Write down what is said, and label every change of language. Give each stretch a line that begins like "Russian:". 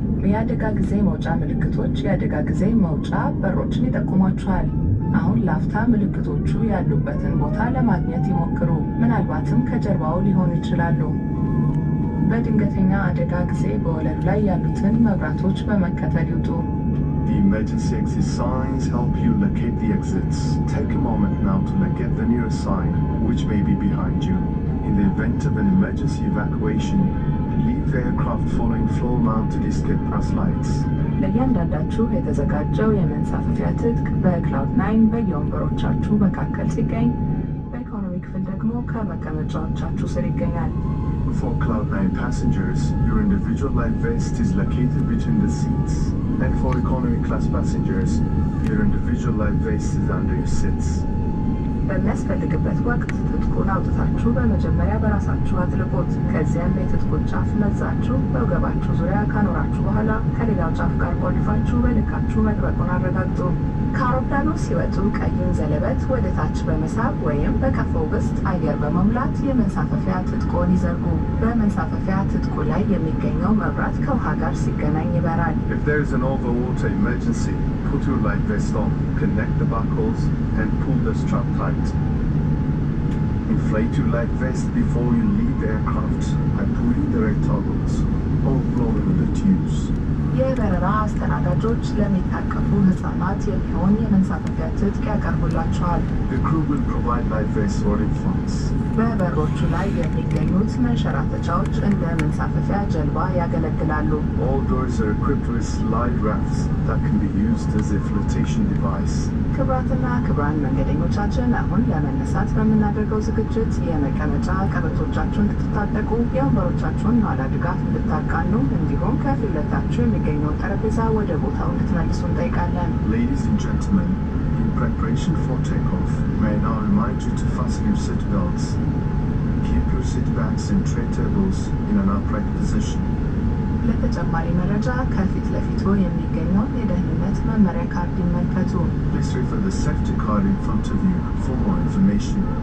Amharic: የአደጋ ጊዜ መውጫ ምልክቶች የአደጋ ጊዜ መውጫ በሮችን ይጠቁማቸዋል። አሁን ላፍታ ምልክቶቹ ያሉበትን ቦታ ለማግኘት ይሞክሩ። ምናልባትም ከጀርባው ሊሆኑ ይችላሉ። በድንገተኛ አደጋ ጊዜ በወለሉ ላይ ያሉትን መብራቶች በመከተል ይውጡ።
English: The emergency exit signs help you locate the exits. Take a moment now to look at the nearest sign, which may be behind you. In the event of an emergency evacuation, leave the aircraft following floor-mounted escape pass lights.
Amharic: ለእያንዳንዳችሁ የተዘጋጀው የመንሳፈፊያ ትጥቅ በክላውድ 9 በየወንበሮቻችሁ መካከል ሲገኝ፣ በኢኮኖሚ ክፍል ደግሞ ከመቀመጫዎቻችሁ ስር ይገኛል።
English: For Cloud 9 passengers, your individual life vest is located between the seats. And for economy class passengers, your individual life vest is under your seats.
Amharic: በሚያስፈልግበት ወቅት ትጥቁን አውጥታችሁ በመጀመሪያ በራሳችሁ አጥልቁት። ከዚያም የትጥቁን ጫፍ መዛችሁ በወገባችሁ ዙሪያ ካኖራችሁ በኋላ ከሌላው ጫፍ ጋር ቆልፋችሁ በልካችሁ መድረቁን አረጋግጡ። ከአውሮፕላኑ ሲወጡ ቀዩን ዘለበት ወደ ታች በመሳብ ወይም በከፈው ውስጥ አየር በመሙላት የመንሳፈፊያ ትጥቁን ይዘርጉ። በመንሳፈፊያ ትጥቁ ላይ የሚገኘው መብራት ከውሃ ጋር ሲገናኝ ይበራል።
English: If there is an overwater emergency, put your life vest on, connect the buckles, and pull the strap tight. Inflate your life vest before you leave the aircraft by pulling the red toggles or blowing the tubes.
Amharic: የበረራ አስተናጋጆች ለሚታቀፉ ሕፃናት የሚሆን የመንሳፈፊያ ትጥቅ ያቀርቡላቸዋል።
English: The crew will provide life vests for infants.
Amharic: በበሮቹ ላይ የሚገኙት መንሸራተቻዎች እንደ መንሳፈፊያ ጀልባ ያገለግላሉ።
English: All doors are equipped with slide rafts that can be used as a flotation device.
Amharic: ክብራትና ክብራን መንገደኞቻችን አሁን ለመነሳት በምናደርገው ዝግጅት የመቀመጫ ቀበቶቻችሁን እንድትታጠቁ የወንበሮቻችሁን ኋላ ድጋፍ እንድታቃኑ እንዲሁም ከፊት ለፊታችሁ የሚገኘው ጠረጴዛ ወደ ቦታው እንድትመልሱ እንጠይቃለን።
English: Ladies and gentlemen, in preparation for takeoff, may I now remind you to fasten your seat belts. Keep your seat backs and tray tables in an upright position.
Amharic: ለተጨማሪ መረጃ ከፊት ለፊቱ የሚገኘው የደህንነት መመሪያ ካርድ ይመልከቱ።
English: Please refer the safety card in front of you for more information.